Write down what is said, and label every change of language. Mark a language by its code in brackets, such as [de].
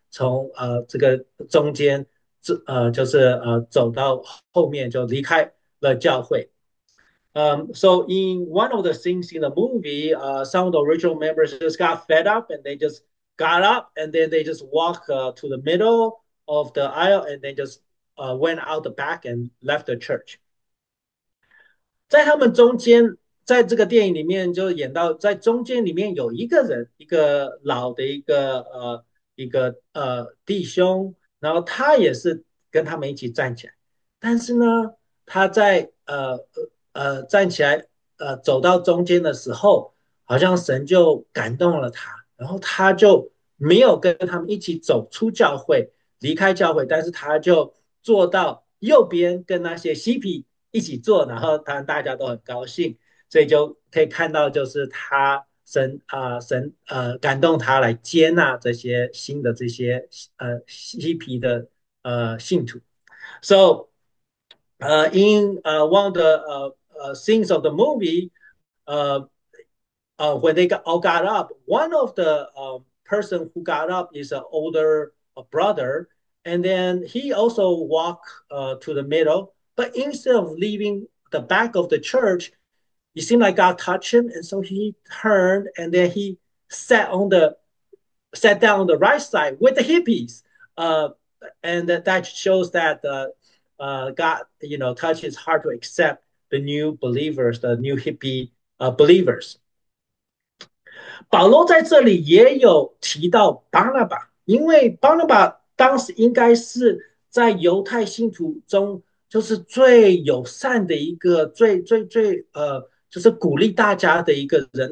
[zh] 从这个中间走到后面就离开了教会。 [en] So in one of the scenes in the movie, some of the original members just got fed up and they just got up and then they just walk to the middle of the aisle and then just went out the back and left the church. [zh] 在他们中间，在这个电影里面就演到，在中间里面有一个人，一个老的一个弟兄，然后他也是跟他们一起站起来，但是呢，他在站起来走到中间的时候，好像神就感动了他，然后他就没有跟他们一起走出教会，离开教会，但是他就坐到右边跟那些嬉皮一起坐，然后当然大家都很高兴，所以就可以看到，就是他神感动他来接纳这些新的这些嬉皮的信徒。 [en] So, in one of the scenes of the movie, when they all got up, one of the person who got up is an older brother, and then he also walked to the middle. But instead of leaving the back of the church, it seemed like God touched him, and so he turned and then he sat down on the right side with the hippies. And that shows that God, touched his heart to accept the new believers, the new hippie believers. [zh] 保罗在这里也有提到巴拿巴，因为巴拿巴当时应该是在犹太信徒中，就是最友善的一个，最最最，就是鼓励大家的一个人。